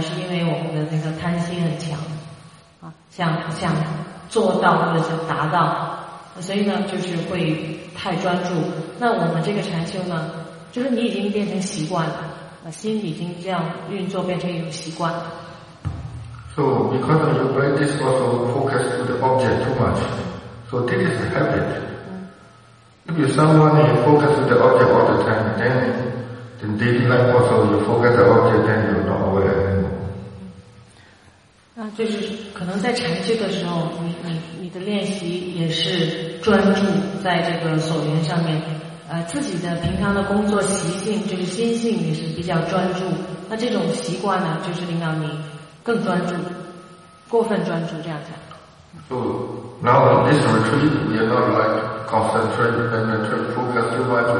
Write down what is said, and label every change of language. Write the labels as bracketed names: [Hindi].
[Chinese] 是因为我们的那个贪心很强，啊，想做到或者是达到，所以呢，就是会太专注。那我们这个禅修呢，就是你已经变成习惯了，心已经这样运作变成一种习惯了。 [English] So because your brain is also focused to the object too much, so this is a habit. If you're someone who focuses the object all the time, then daily life also you forget the object, then you're not aware anymore. [Chinese] 那就是可能在禅修的时候，你的练习也是专注在这个所缘上面，自己的平常的工作习性就是心性也是比较专注，那这种习惯呢，就是令到你更专注，过分专注这样子。 [English] So now in this retreat, we are not like concentrate, focus too much.